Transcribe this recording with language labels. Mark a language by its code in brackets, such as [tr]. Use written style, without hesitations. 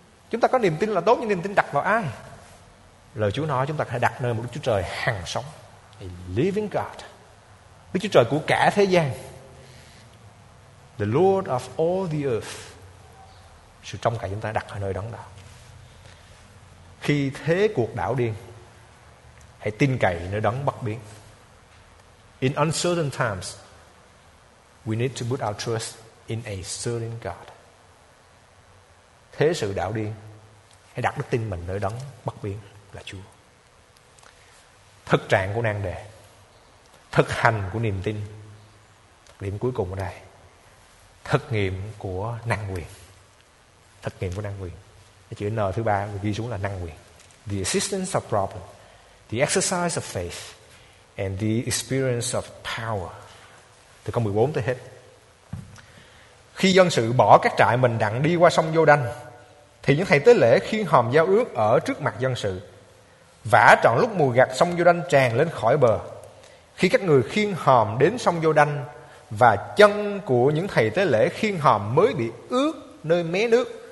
[vi] Chúng ta có niềm tin là tốt, nhưng niềm tin đặt vào ai? Lời Chúa nói chúng ta phải đặt nơi một Đức Chúa Trời hằng sống, [en] a living God, [vi] Đức Chúa Trời của cả thế gian, [en] the Lord of all the earth. [vi] Sự trông cậy chúng ta đặt ở nơi đó. Khi thế cuộc đảo điên, hãy tin cậy nơi đấng bất biến. [en] In uncertain times, we need to put our trust in a certain God. [vi] Thế sự đảo điên, hãy đặt đức tin mình nơi đấng bất biến là Chúa. Thực trạng của nan đề, thực hành của niềm tin, điểm cuối cùng ở đây, thực nghiệm của năng quyền. Thực nghiệm của năng quyền, chữ N thứ ba ghi xuống là năng quyền. [en] The assistance of problem, the exercise of faith, and the experience of power. [vi] Từ câu 14 tới hết. Khi dân sự bỏ các trại mình đặng đi qua sông Giô-đanh, thì những thầy tế lễ khiêng hòm giao ước ở trước mặt dân sự, vả trọn lúc mùi gạt sông Giô-đanh tràn lên khỏi bờ. Khi các người khiêng hòm đến sông Giô-đanh, và chân của những thầy tế lễ khiêng hòm mới bị ướt nơi mé nước,